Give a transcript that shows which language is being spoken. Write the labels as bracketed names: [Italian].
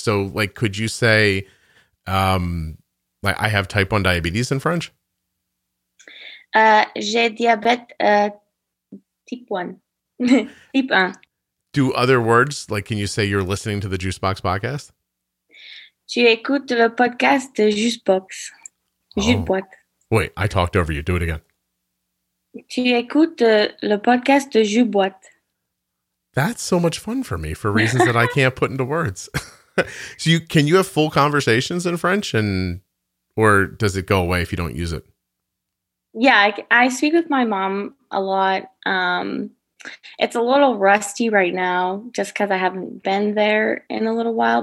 [English] So like, could you say, like, I have type 1 diabetes in French? [French] J'ai diabète type 1. [English] Do other words, like can you say you're listening to the Juice Box podcast? [French] Tu écoutes le podcast de Juice Box. [English] Juice Box. Wait, I talked over you. Do it again. [French] Tu écoutes le podcast de Juice Box. [English] That's so much fun for me for reasons that I can't put into words. So can you have full conversations in French or does it go away if you don't use it? Yeah, I speak with my mom a lot. It's a little rusty right now just because I haven't been there in a little while.